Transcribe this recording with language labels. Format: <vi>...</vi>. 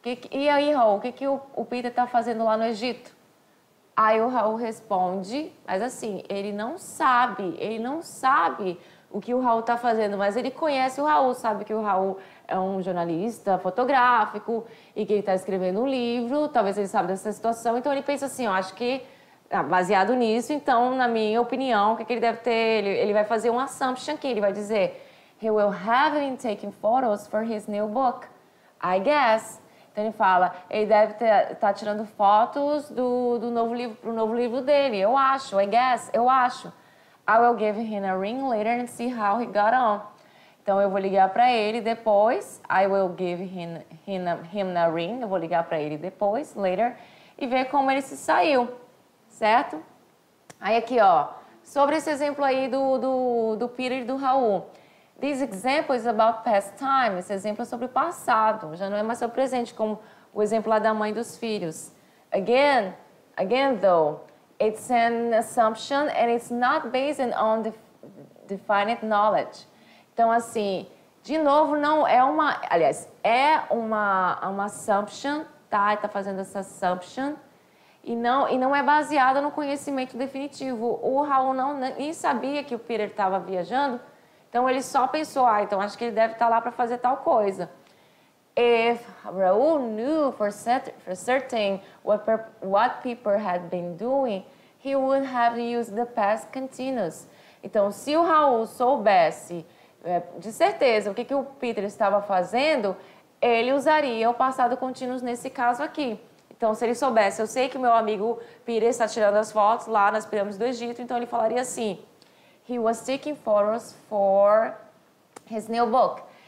<pt>E aí, Raul, o que o Peter está fazendo lá no Egito? Aí o Raul responde, mas assim, ele não sabe o que o Raul está fazendo, mas ele conhece o Raul, sabe que o Raul é um jornalista fotográfico e que ele está escrevendo um livro, talvez ele saiba dessa situação, então ele pensa assim, baseado nisso, então, na minha opinião, o que ele deve ter? Ele vai fazer um assumption aqui, ele vai dizer,</pt> <en>he will have been taking photos for his new book, I guess.</en> <pt>Então ele fala, ele deve estar tirando fotos do novo livro, pro novo livro dele, eu acho,</pt> <en>I guess,</en> <pt>eu acho.</pt> <en>I will give him a ring later and see how he got on.</en> <pt>Então eu vou ligar para ele depois,</pt> <en>I will give him a ring,</en> <pt>eu vou ligar para ele depois, later, e ver como ele se saiu. Certo? Aí aqui, ó, sobre esse exemplo aí do Peter e do Raul.</pt> <en>This example is about past time.</en> <pt>Esse exemplo é sobre o passado. Já não é mais sobre o presente, como o exemplo lá da mãe e dos filhos.</pt> <en>Again though, it's an assumption and it's not based on definite knowledge.</en> <pt>Então, assim, de novo, não é uma... Aliás, é uma assumption, tá? Ele tá fazendo essa assumption. E não é baseada no conhecimento definitivo. O Raul não, nem sabia que o Peter estava viajando, então ele só pensou, então acho que ele deve estar lá para fazer tal coisa.</pt> <en>If Raul knew for certain what Peter had been doing, he would have used the past continuous.</en> <pt>Então, se o Raul soubesse de certeza o que o Peter estava fazendo, ele usaria o passado contínuo nesse caso aqui. Então, se ele soubesse, eu sei que meu amigo Peter está tirando as fotos lá nas pirâmides do Egito, então ele falaria assim,</pt> <en>he was taking photos for his new book.</en>